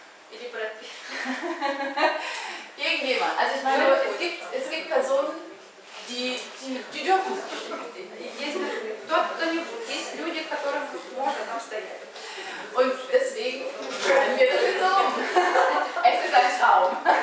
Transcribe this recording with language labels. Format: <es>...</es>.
<ru>Или Brad Pitt.</ru> <de>Irgendjemand. Also ich meine, es gibt Personen, die dürfen da stehen.</de> <ru>Dort кто-нибудь. Есть люди, которым можно там стоять.</ru> <de>Und deswegen können wir das jetzt um. Es ist ein Traum.</de>